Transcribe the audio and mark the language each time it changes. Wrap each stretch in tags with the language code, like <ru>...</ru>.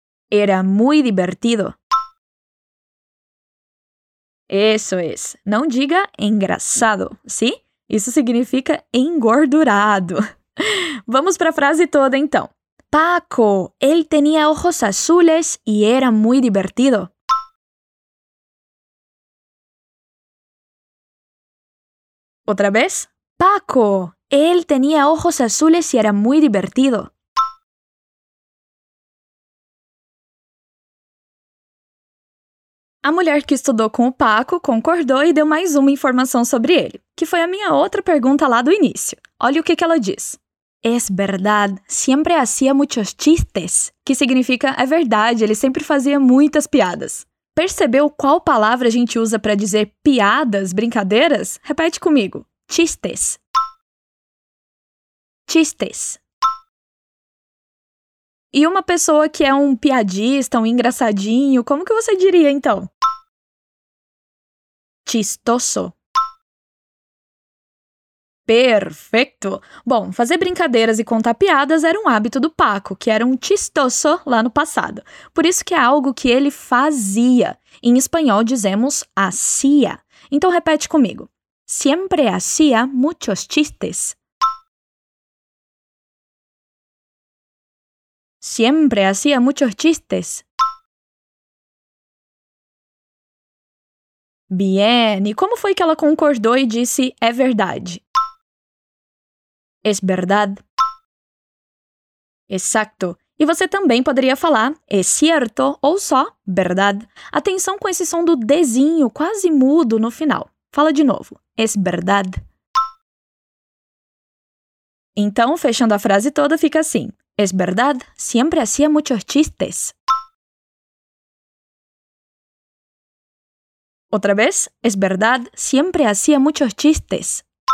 <es>Era muy divertido. Eso es.</es> <pt>Não diga engraçado, sim? Isso significa engordurado. Vamos para a frase toda, então.</pt> <es>Paco, él tenía ojos azules y era muy divertido.</es> <pt>Outra vez.</pt> <es>Paco, él tenía ojos azules y era muy divertido.</es> <pt>A mulher que estudou com o Paco concordou e deu mais uma informação sobre ele, que foi a minha outra pergunta lá do início. Olha o que ela diz.</pt> <es>Es verdad, siempre hacía muchos chistes.</es> <pt>Que significa, é verdade, ele sempre fazia muitas piadas. Percebeu qual palavra a gente usa para dizer piadas, brincadeiras? Repete comigo.</pt> <es>Chistes. Chistes.</es> <pt>E uma pessoa que é um piadista, um engraçadinho, como que você diria, então?</pt> <es>Chistoso.</es> <pt>Perfeito! Bom, fazer brincadeiras e contar piadas era um hábito do Paco, que era um chistoso lá no passado. Por isso que é algo que ele fazia. Em espanhol dizemos hacía. Então repete comigo.</pt> <es>Siempre hacía muchos chistes. Siempre hacía muchos chistes. Bien,</es> <pt>e como foi que ela concordou e disse é verdade?</pt> <es>Es verdad. Exacto.</es> <pt>E você também poderia falar es cierto ou só verdad. Atenção com esse som do dezinho quase mudo no final. Fala de novo.</pt> <es>Es verdad.</es> <pt>Então, fechando a frase toda, fica assim.</pt> <es>Es verdad, siempre hacía muchos chistes.</es> <pt>Outra vez.</pt> <es>Es verdad, siempre hacía muchos chistes.</es>